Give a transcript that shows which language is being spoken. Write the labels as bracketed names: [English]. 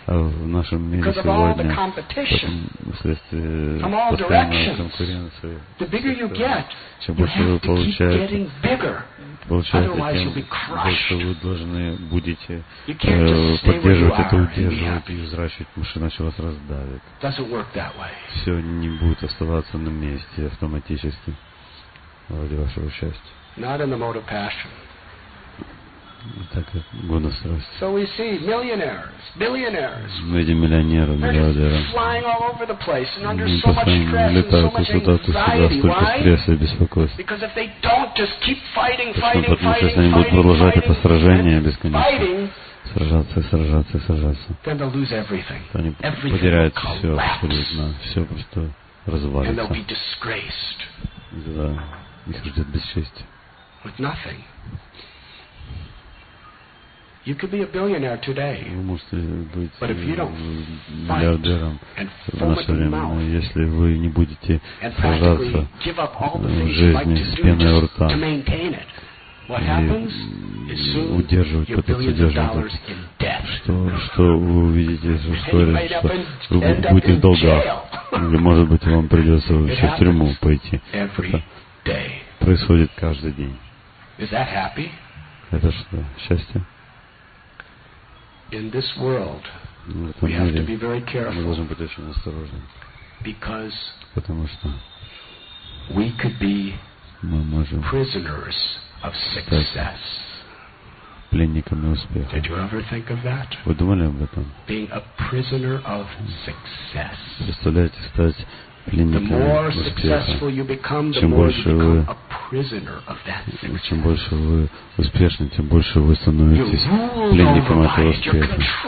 [Russian] А в нашем мире сегодня, вследствие постоянной конкуренции, чем больше вы получаете, тем больше вы должны будете поддерживать это, удерживать и взращивать, потому что иначе вас раздавит. Все не будет оставаться на месте автоматически ради вашего счастья. Так как гона страсть. [English] So we see millionaires, billionaires. [Russian] Мы видим миллионеров, миллиардеров. [English] Flying all over the place and under so much stress and so much anxiety. Why? [Russian] Столько стресса и беспокойства. [English] Because if they don't just keep fighting, fighting, you could be a billionaire today. But if you don't fight and foam at the mouth and practically give up all the things you'd like to do to maintain it, what happens is soon your billions of dollars in debt. [Russian] Что вы увидите, что вы будете в долгах. Или, может быть, вам придется вообще в тюрьму пойти. Это происходит каждый день. [English] Is that happy? [Russian] Это что, счастье? [English] In this world, we have to be very careful. [Russian] Мы должны быть очень осторожны. [English] Because [Russian] потому что [English] we could be [Russian] мы можем [English] prisoners of success. [Russian] Пленниками успеха. [English] Did you ever think of that? [Russian] Вы думали об этом? [English] Being a prisoner of success. [Russian] Представляете, стать пленником успеха. [English] The more successful you become, the more you become a prisoner. [Russian] чем больше вы успешны, тем больше вы становитесь пленником этого успеха.